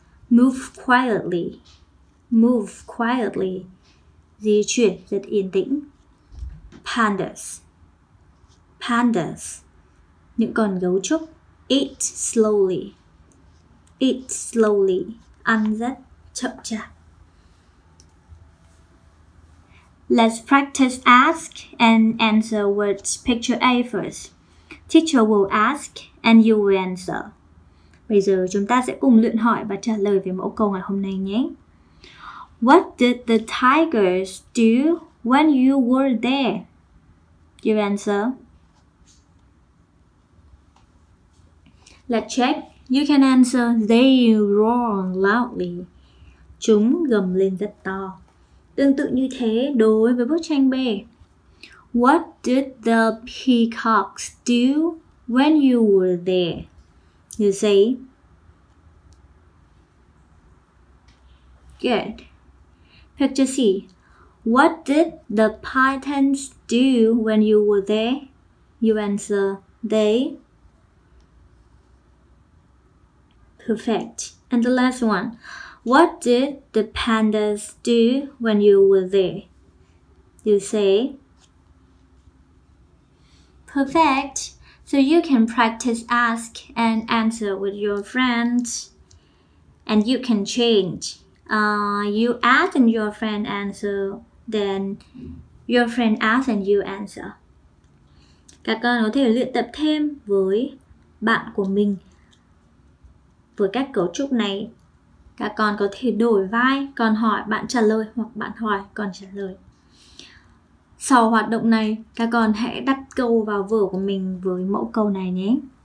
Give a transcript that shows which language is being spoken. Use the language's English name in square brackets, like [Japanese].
[English] Move quietly. Move quietly, [Vietnamese] di chuyển rất yên tĩnh. [English] Pandas. [Vietnamese] Pandas, những con gấu trúc. [English] Eat slowly. Eat slowly, [Vietnamese] ăn rất chậm chạp. [English] Let's practice ask and answer words picture A first. Teacher will ask and you will answer. [Vietnamese] Bây giờ chúng ta sẽ cùng luyện hỏi và trả lời về mẫu câu ngày hôm nay nhé. [English] What did the tigers do when you were there? You answer. Let's check. You can answer. They roared loudly. [Vietnamese] Chúng gầm lên rất to. Tương tự như thế đối với bức tranh B. [English] What did the peacocks do when you were there? You see? Good. Picture C. What did the pythons do when you were there? You answer, they. Perfect. And the last one. What did the pandas do when you were there? You say. Perfect. So you can practice ask and answer with your friends. And you can change. You ask and your friend answer, then Your friend asks and you answer. [Vietnamese] Các con có thể luyện tập thêm với bạn của mình. Với các cấu trúc này, các con có thể đổi vai, con hỏi bạn trả lời hoặc bạn hỏi con trả lời. Sau hoạt động này, các con hãy đặt câu vào vở của mình với mẫu câu này nhé.